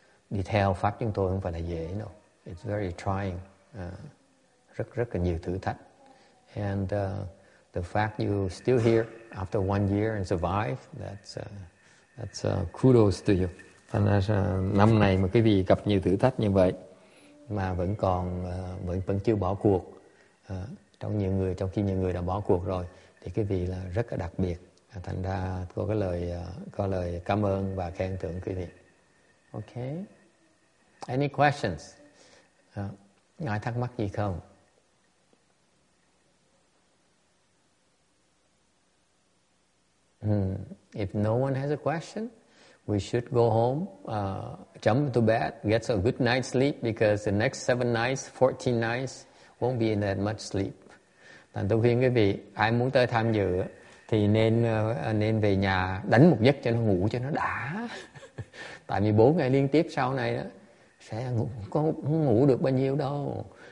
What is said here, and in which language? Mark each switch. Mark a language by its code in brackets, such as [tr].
[vi] Đi theo pháp chúng tôi không phải là dễ đâu. [en] It's very trying. [vi] Rất là nhiều thử thách. [en] And the fact you still here after 1 year and survive, that's kudos to you. [vi] Thành ra năm này mà quý vị gặp nhiều thử thách như vậy mà vẫn còn vẫn chưa bỏ cuộc, trong khi nhiều người đã bỏ cuộc rồi, thì quý vị là rất là đặc biệt. Thành ra có cái lời cảm ơn và khen thưởng quý vị. [en] Okay. Any questions? [vi] Ai thắc mắc gì không? [en] If no one has a question, we should go home, jump to bed, get a good night's sleep, because the next 7 nights, 14 nights, won't be that much sleep. [vi] Thành tôi khuyên quý vị, ai muốn tới tham dự thì nên về nhà đánh một giấc cho nó ngủ cho nó đã. Tại vì 4 ngày liên tiếp sau này đó, sẽ ngủ, có ngủ được bao nhiêu đâu.